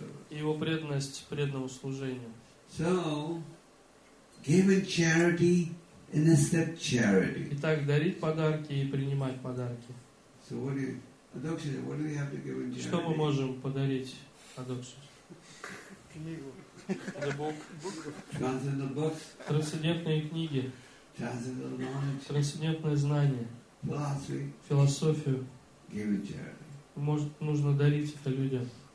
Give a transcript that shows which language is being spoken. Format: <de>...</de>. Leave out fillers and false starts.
<ru>Его преданность преданному служению.</ru> <en>So, giving charity and accept charity.</en> <ru>Итак, дарить подарки и принимать подарки.</ru> <en>So what do you, Adoksha, what do we have to give in charity?</en> <ru>Что мы можем подарить Адокши? Книгу.</ru> <en>The book. Transcendental books.</en> <ru>Трансцендентные книги.</ru> <en>Transcendental knowledge.</en> <ru>Трансцендентное знание.</ru> <en>Philosophy.</en> <ru>Философию.</ru> <en>Give in charity.</en> <ru>Может, нужно дарить это людям.</ru>